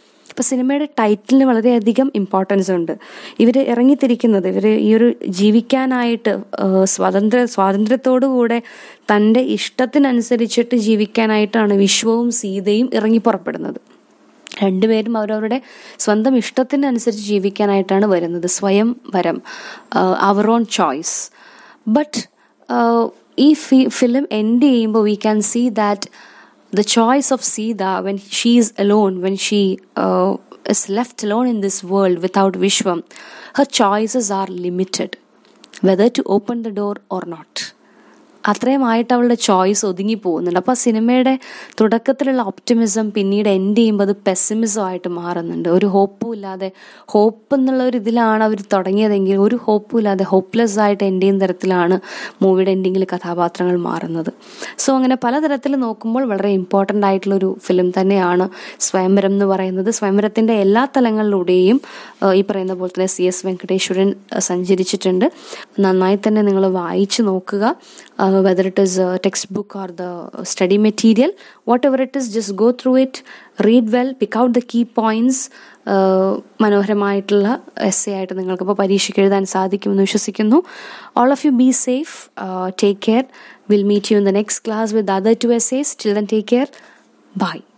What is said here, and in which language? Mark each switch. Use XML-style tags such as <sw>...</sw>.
<ml>ഇപ്പോൾ സിനിമയുടെ ടൈറ്റിലിന് വളരെയധികം ഇമ്പോർട്ടൻസ് ഉണ്ട്. ഇവർ ഇറങ്ങിത്തിരിക്കുന്നത്, ഇവർ ഈ ഒരു ജീവിക്കാനായിട്ട് സ്വാതന്ത്ര്യത്തോടുകൂടെ തൻ്റെ ഇഷ്ടത്തിനനുസരിച്ചിട്ട് ജീവിക്കാനായിട്ടാണ് വിശ്വവും സീതയും ഇറങ്ങിപ്പുറപ്പെടുന്നത്. രണ്ടുപേരും അവരവരുടെ സ്വന്തം ഇഷ്ടത്തിനനുസരിച്ച് ജീവിക്കാനായിട്ടാണ് വരുന്നത്, സ്വയം വരം, അവർ ഓൺ ചോയ്സ്.</ml> <en>but</en> <ml>ഈ</ml> <en>film end</en> <ml>ചെയ്യുമ്പോൾ</ml> <en>We can see that the choice of Sita when she is alone, when she is left alone in this world without Vishwam, her choices are limited whether to open the door or not.</en> <ml>അത്രയുമായിട്ട് അവളുടെ choice ഒതുങ്ങി പോകുന്നുണ്ട്. അപ്പോൾ ആ സിനിമയുടെ തുടക്കത്തിലുള്ള optimism പിന്നീട് end ചെയ്യുമ്പോൾ അത് pessimism ആയിട്ട് മാറുന്നുണ്ട്. ഒരു ഹോപ്പും ഇല്ലാതെ, ഹോപ്പ് എന്നുള്ള ഒരു ഇതിലാണ് അവർ തുടങ്ങിയതെങ്കിൽ ഒരു ഹോപ്പും ഇല്ലാതെ ഹോപ്പ്ലെസ് ആയിട്ട് എൻഡ് ചെയ്യുന്ന തരത്തിലാണ് മൂവിയുടെ എൻഡിങ്ങിൽ കഥാപാത്രങ്ങൾ മാറുന്നത്. സോ അങ്ങനെ പലതരത്തിൽ നോക്കുമ്പോൾ വളരെ ഇമ്പോർട്ടൻ്റ് ആയിട്ടുള്ളൊരു ഫിലിം തന്നെയാണ് സ്വയംവരം എന്ന് പറയുന്നത്. സ്വയംവരത്തിൻ്റെ എല്ലാ തലങ്ങളിലൂടെയും ഈ പറയുന്ന പോലെ തന്നെ സി എസ് വെങ്കടേശ്വരൻ സഞ്ചരിച്ചിട്ടുണ്ട്. നന്നായി തന്നെ നിങ്ങൾ വായിച്ചു നോക്കുക.</ml> <en>Whether it is a textbook or the study material, whatever it is, just go through it, read well, pick out the key points.</en> <ml>മനോഹരമായിട്ടുള്ള എസ്സേ ആയിട്ട് നിങ്ങൾക്കിപ്പോൾ പരീക്ഷയ്ക്ക് എഴുതാൻ സാധിക്കുമെന്ന് വിശ്വസിക്കുന്നു.</ml> <en>All of you be safe, take care. Will meet you in the next class with other two essays. Till then take care, bye.</en>